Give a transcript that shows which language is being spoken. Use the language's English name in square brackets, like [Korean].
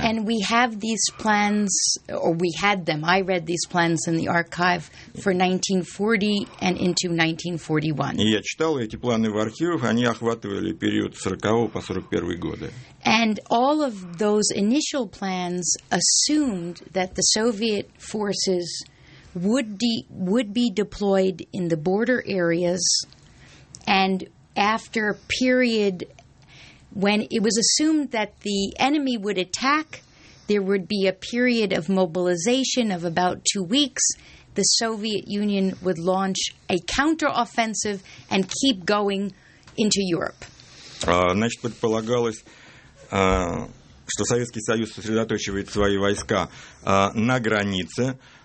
[English] And we have these plans, or we had them. I read these plans in the archive for 1940 and into 1941. [Russian] И я читал эти планы в архивах. Они охватывали период с 40 по 41 годы. [English] And all of those initial plans assumed that the Soviet forces would be deployed in the border areas, and after a period when it was assumed that the enemy would attack, there would be a period of mobilization of about 2 weeks. The Soviet Union would launch a counteroffensive and keep going into Europe. [Russian] Предполагалось, что Советский Союз сосредоточивает свои войска на границе.